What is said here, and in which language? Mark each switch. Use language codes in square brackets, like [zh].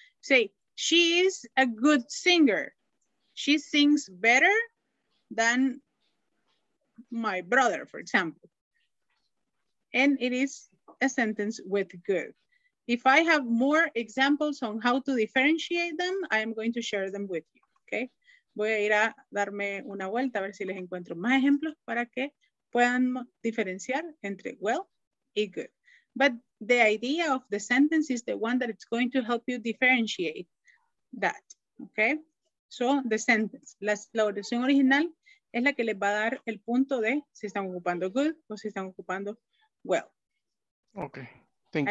[en] Say, she is a good singer. She sings better than my brother, for example. And it is a sentence with good. If I have more examples on how to differentiate them, I'm going to share them with you, okay? [es] Voy a ir a darme una vuelta a ver si les encuentro más ejemplos para que puedan diferenciar entre well y good. [en] But the idea of the sentence is the one that it's going to help you differentiate that, okay? So the sentence, [es] la oración original es la que les va a dar el punto de si están ocupando good o si están ocupando well. [en] Okay. Thank